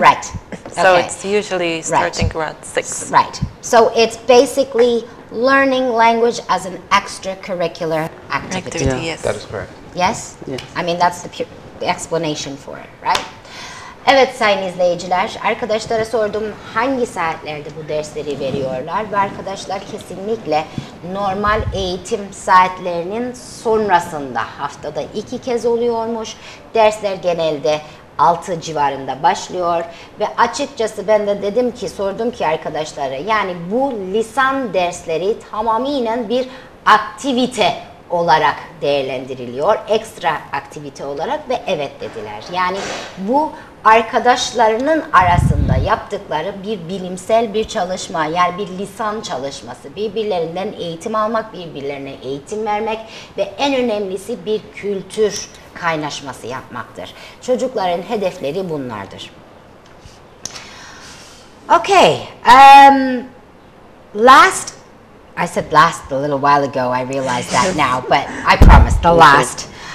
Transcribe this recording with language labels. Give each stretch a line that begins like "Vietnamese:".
English: Right. So okay. it's usually starting right. around 6. Right. So it's basically learning language as an extracurricular activity. Yeah. Yes. That is correct. Yes? Yes. I mean, that's the explanation for it, right?
Turkish: Evet sayın izleyiciler, arkadaşlara sordum hangi saatlerde bu dersleri veriyorlar ve arkadaşlar kesinlikle normal eğitim saatlerinin sonrasında haftada iki kez oluyormuş. Dersler genelde 6 civarında başlıyor ve açıkçası ben de dedim ki sordum ki arkadaşlara yani bu lisan dersleri tamamıyla bir aktivite olarak değerlendiriliyor. Ekstra aktivite olarak ve evet dediler. Yani bu arkadaşlarının arasında yaptıkları bir bilimsel bir çalışma, yani bir lisan çalışması, birbirlerinden eğitim almak, birbirlerine eğitim vermek ve en önemlisi bir kültür kaynaşması yapmaktır. Çocukların hedefleri bunlardır.
English: Okay, last, I said last a little while ago, I realized that now, but I promise, the last.